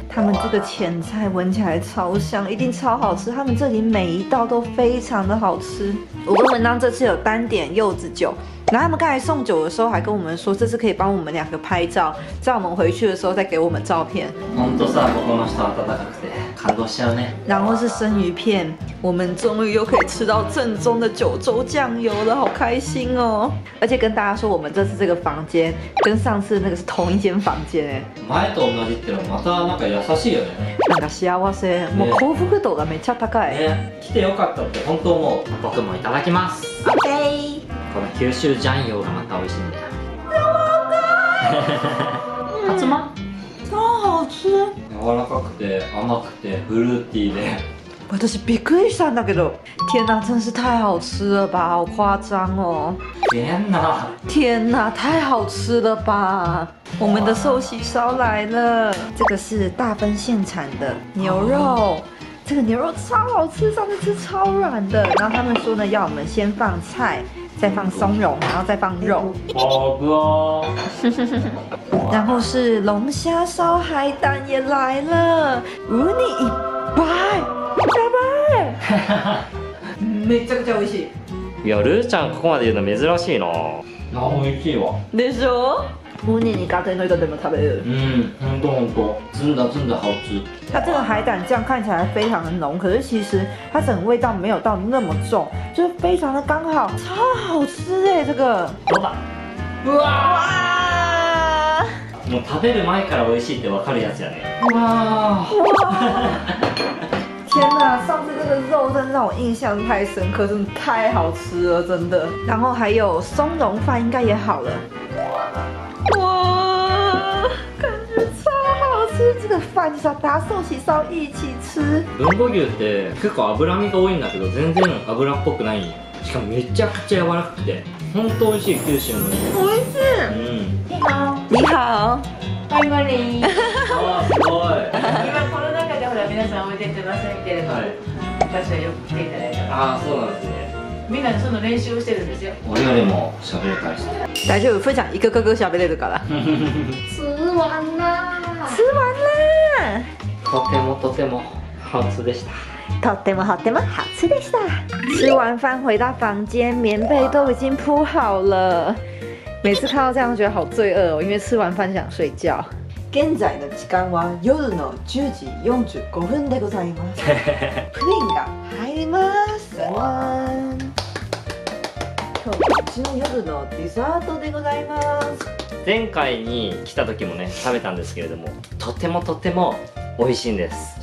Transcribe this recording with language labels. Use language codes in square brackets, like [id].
[zh] 他们这个前菜闻起来超香，一定超好吃。他们这里每一道都非常的好吃。我跟文章这次有单点柚子酒。然后他们刚才送酒的时候还跟我们说，这次可以帮我们两个拍照，在我们回去的时候再给我们照片。 [ja] 本当さ、ここの人温かくて感動しちゃうね。 [zh] 然后是生鱼片，我们终于又可以吃到正宗的九州酱油了，好开心哦！而且跟大家说，我们这次这个房间跟上次那个是同一间房间哎。 [ja] 前と同じってのまたなんか優しいよね。なんか幸せ、もう幸福度がめっちゃ高い。ね、来てよかったって本当思う。僕もいただきます。 OK。この九州ジャンヨがまた美味しいんだよ。やばい。カツマ。 [zh] 超好吃。 [ja] 柔らかくて甘くてフルーティーで。私びっくりしたんだけど、 [zh] 天哪，真是太好吃了吧！好夸张哦。天哪。天哪，太好吃了吧！我们的寿喜烧来了，这个是大分县产的牛肉。这个牛肉超好吃，上次吃超软的。然后他们说呢，要我们先放菜。再放松茸，然后再放肉，好吃哦。然后是龙虾烧海胆也来了，五你一百，加倍。 [ja] めちゃくちゃ美味しい。いや、ルーちゃんここまで言うの珍しいな。あ、美味しいわ。でしょ？ [zh] 五你你刚才那个怎么 [ja] 食べる？ [zh] 嗯，很多很多，真的真的好吃。它这个海胆酱看起来非常的浓，可是其实它整个味道没有到那么重。就是非常的刚好，超好吃哎！这个老板，哇！ [ja] もう食べる前から美味しいって分かるやつやね。 [zh] 哇！天哪，上次这个肉真的让我印象太深刻，真的太好吃了，真的。然后还有松茸饭应该也好了。哇！感觉超好吃，这个饭就是要搭寿喜烧一起吃。 [ja] 豚骨牛って結構脂身が多いんだけど全然脂っぽくないんや。しかもめちゃくちゃ柔らかくて本当美味しい九州の。美味しい。うん。 [zh] 你好。你好。 [ja] バイバリー。あ、すごい。今コロナ禍でほら皆さんおいでってませんけれども、はい、私はよく来ていただいた。ああ、そうなんですね。みんなその練習をしてるんですよ。我々も喋れたりして。大丈夫、ふうちゃん一個一個喋れるから。 [zh] 吃完啦。吃完啦。 [ja] とてもとても好吃でした。とてもとても好吃でした。 [zh] 吃完饭回到房间，棉被都已经铺好了。每次看到这样，觉得好罪恶哦，因为吃完饭想睡觉。 [ja] 現在の時間は夜の10時45分でございます。プリンが入ります。わー、今日うちの夜のデザートでございます。前回に来た時もね、食べたんですけれども、とてもとても美味しいんです。